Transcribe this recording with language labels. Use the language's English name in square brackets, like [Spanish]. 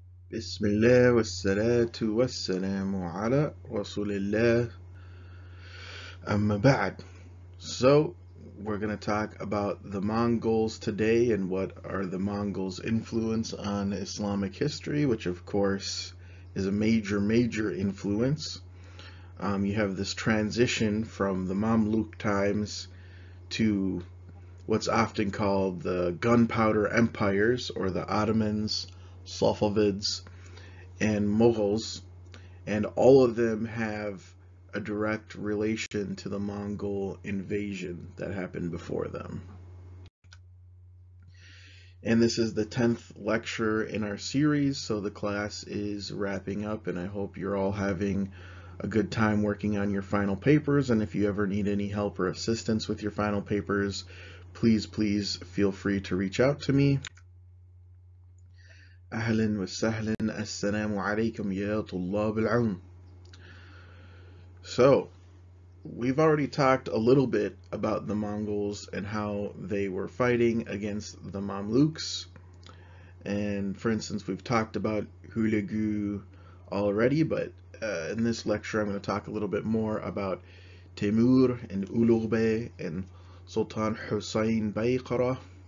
[Arabic] بسم الله والصلاة والسلام على رسول الله أما بعد. [English] So we're going to talk about the Mongols today and what are the Mongols' influence on Islamic history, which of course is a major, major influence. You have this transition from the Mamluk times to what's often called the Gunpowder Empires or the Ottomans, Safavids, and Mughals, and all of them have a direct relation to the Mongol invasion that happened before them. And this is the 10th lecture in our series, so the class is wrapping up, and I hope you're all having a good time working on your final papers. And if you ever need any help or assistance with your final papers, please, please feel free to reach out to me. [Arabic] أهلاً وسهلاً السلام عليكم يا طلاب العلم. [English] So, we've already talked a little bit about the Mongols and how they were fighting against the Mamluks. And for instance, we've talked about Hulagu already, but in this lecture, I'm going to talk a little bit more about Timur and Ulughbey and Sultan Hussein Baykara.